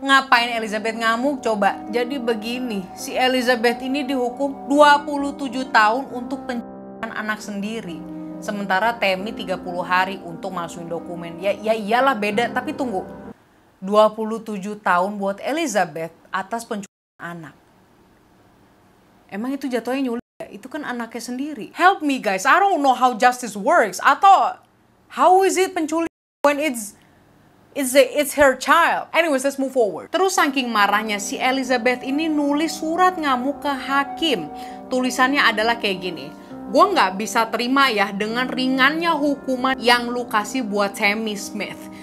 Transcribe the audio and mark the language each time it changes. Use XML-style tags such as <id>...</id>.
<id>Ngapain Elizabeth ngamuk? Coba. Jadi begini, si Elizabeth ini dihukum 27 tahun untuk pencurian anak sendiri. Sementara Tammy 30 hari untuk masukin dokumen. Ya iyalah beda, tapi tunggu. 27 tahun buat Elizabeth atas pencurian anak. Emang itu jatuhnya nyulik ya? Itu kan anaknya sendiri.</id> <en>Help me guys, I don't know how justice works.</en> <id>Atau</id> <en>how is it</en> <id>penculik</id> <en>when it's her child? Anyways, let's move forward.</en> <id>Terus saking marahnya, si Elizabeth ini nulis surat ngamuk ke hakim. Tulisannya adalah kayak gini. Gua gak bisa terima ya dengan ringannya hukuman yang lu kasih buat Tammy Smith.</id>